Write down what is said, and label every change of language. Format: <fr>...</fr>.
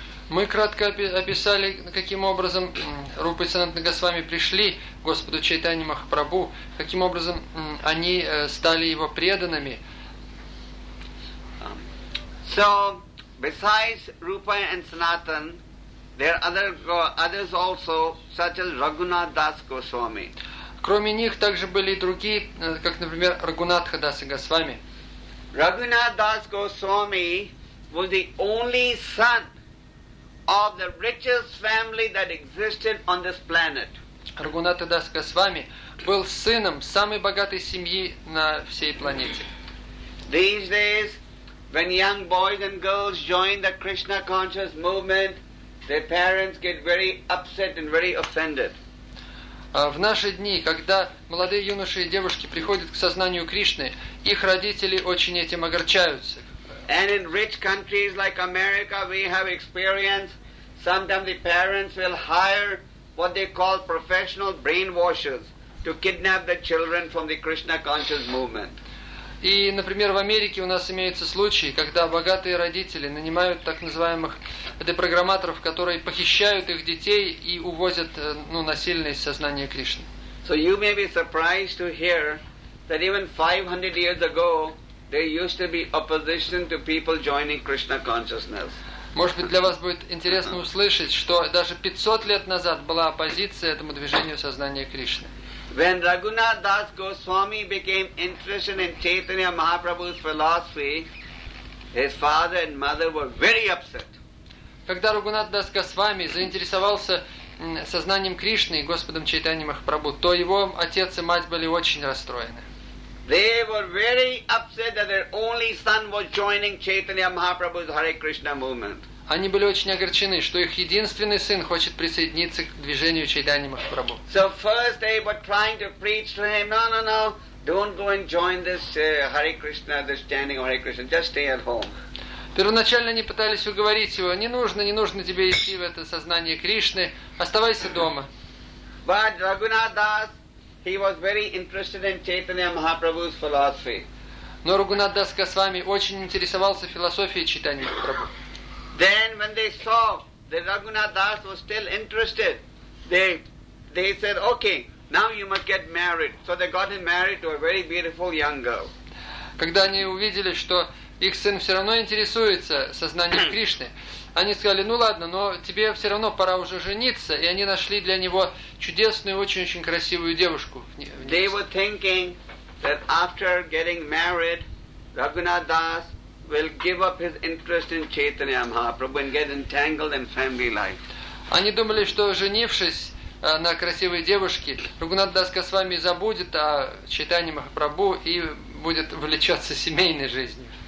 <ru>Мы кратко описали, каким образом Рупа и Санатана Госвами пришли к Господу Чайтанье Махапрабху, каким образом они стали его преданными.</ru> <en>So, besides Rupa and Sanatan, there are others also, such as Raghunath Das Goswami.</en> <ru>Кроме них также были и другие, как, например, Рагунатха Даса Госвами.</ru> <en>Raghunath Das Goswami was the only son of the richest family that existed on this planet.</en> <ru>Рагунатха Дас Госвами был сыном самой богатой семьи на всей планете.</ru> <en>These days, when young boys and girls join the Krishna conscious movement, their parents get very upset and very offended.</en> <ru>В наши дни, когда молодые юноши и девушки приходят к сознанию Кришны, их родители очень этим огорчаются.</ru> <en>And in rich countries like America, we have experience. Sometimes the parents will hire what they call professional brainwashers to kidnap the children from the Krishna conscious movement.</en> <ru>И, например, в Америке у нас имеются случаи, когда богатые родители нанимают так называемых депрограмматоров, которые похищают их детей и увозят насильно из сознания Кришны.</ru> <en>So you may be surprised to hear that even 500 years ago there used to be opposition to people joining Krishna consciousness.</en> <ru>Может быть, для вас будет интересно услышать, что даже 500 лет назад была оппозиция этому движению сознания Кришны.</ru> <en>When Raghunath Das Goswami became interested in Chaitanya Mahaprabhu's philosophy, his father and mother were very upset.</en> <ru>Когда Рагунат Дас Госвами заинтересовался сознанием Кришны и Господом Чайтанья Махапрабху, то его отец и мать были очень расстроены.</ru> <en>They were very upset that their only son was joining Chaitanya Mahaprabhu's Hare Krishna movement.</en> <ru>Они были очень огорчены, что их единственный сын хочет присоединиться к движению Чайтанья Махапрабху.</ru> <en>So first they were trying to preach to him, no, don't go and join this Hare Krishna, this chanting of Hare Krishna, just stay at home.</en> <ru>Первоначально они пытались уговорить его, не нужно тебе идти в это сознание Кришны, оставайся дома.</ru> <en>But Raghunath Das, he was very interested in Chaitanya Mahaprabhu's philosophy.</en> <ru>Но Рагунат Дас Госвами очень интересовался философией Чайтанья Махапрабху.</ru> <en>Then when they saw that Raghunath Das was still interested, they said, okay, now you must get married. So they got him married to a very beautiful young girl.</en> <ru>когда они увидели, что их сын все равно интересуется сознанием Кришны, они сказали, ну ладно, но тебе все равно пора уже жениться, и они нашли для него чудесную, очень-очень красивую девушку.</ru> <en>They were thinking that after getting married, Raghunath Das will give up his interest in Chaitanya Mahaprabhu and get entangled in family life.</en> <ru>Они думали, что женившись на красивой девушке, Рагхунат Дас Госвами забудет о Чайтанье Махапрабху и будет увлечаться семейной жизнью.</ru>